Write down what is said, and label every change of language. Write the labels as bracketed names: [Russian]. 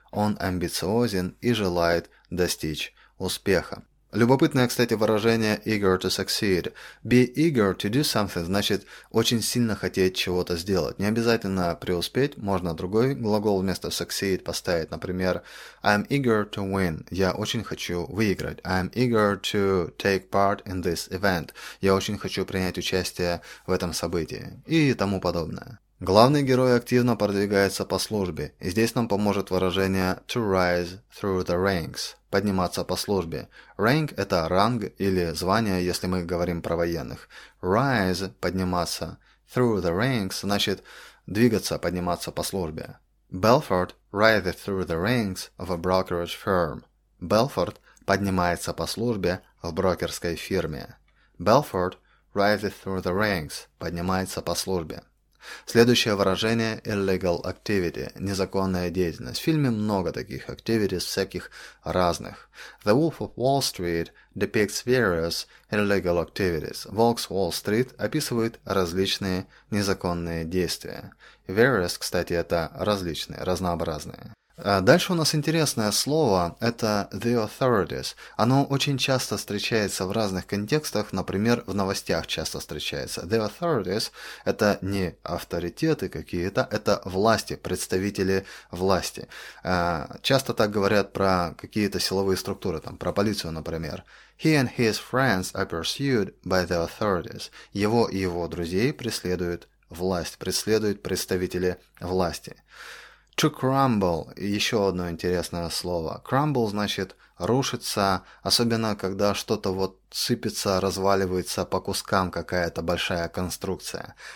[Russian] Он амбициозен и желает достичь успеха. Любопытное, кстати, выражение eager to succeed. [English] Be eager to do something [Russian] значит очень сильно хотеть чего-то сделать. Не обязательно преуспеть, можно другой глагол вместо succeed поставить. Например, [English] I'm eager to win. [Russian] Я очень хочу выиграть. [English] I'm eager to take part in this event. [Russian] Я очень хочу принять участие в этом событии. И тому подобное. Главный герой активно продвигается по службе, и здесь нам поможет выражение [English] to rise through the ranks [Russian] – подниматься по службе. Rank – это ранг или звание, если мы говорим про военных. Rise – подниматься. [English] Through the ranks [Russian] – значит двигаться, подниматься по службе. [English] Belfort – rises through the ranks of a brokerage firm. Belfort – [Russian] поднимается по службе в брокерской фирме. [English] Belford rises through the ranks, [Russian] поднимается по службе. Следующее выражение – illegal activity, незаконная деятельность. В фильме много таких activities, всяких разных. [English] The Wolf of Wall Street depicts various illegal activities. [Russian] Wolf of Wall Street описывает различные незаконные действия. Various, кстати, это различные, разнообразные. Дальше у нас интересное слово – это the authorities. Оно очень часто встречается в разных контекстах, например, в новостях часто встречается. The authorities – это не авторитеты какие-то, это власти, представители власти. Часто так говорят про какие-то силовые структуры, там, про полицию, например. [English] He and his friends are pursued by the authorities. [Russian] Его и его друзей преследуют власть, преследуют представители власти. To crumble – еще одно интересное слово. Crumble – значит рушится, особенно когда что-то вот сыпется, разваливается по кускам, какая-то большая конструкция.